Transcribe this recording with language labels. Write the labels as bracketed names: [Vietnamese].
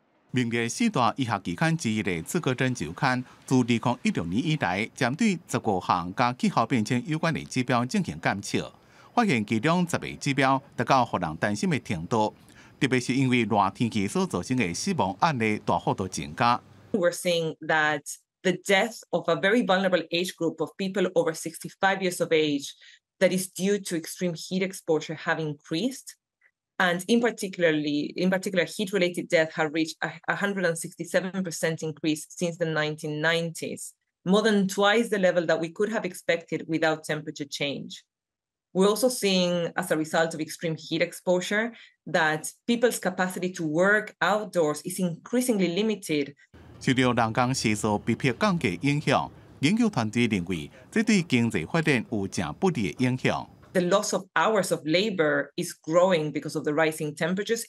[Chinese] 名列四大医学期刊之一的《资格证》周刊，自2016年以来，针对15项跟气候变迁有关的指标进行监测，发现其中10个指标达到让人担心的程度，特别是因为热天气所造成的死亡案例大幅度增加。 [English] We're seeing that the death of a very vulnerable age group of people over 65 years of age that is due to extreme heat exposure have increased. And in particular, heat-related death has reached a 167% increase since the 1990s, more than twice the level that we could have expected without temperature change. We're also seeing, as a result of extreme heat exposure, that people's capacity to work outdoors is increasingly limited. [Chinese] 受到人工气候逼迫降低影响，研究团队认为，这对经济发展有正不利的影响。 [English] The loss of hours of labor is growing because of the rising temperatures.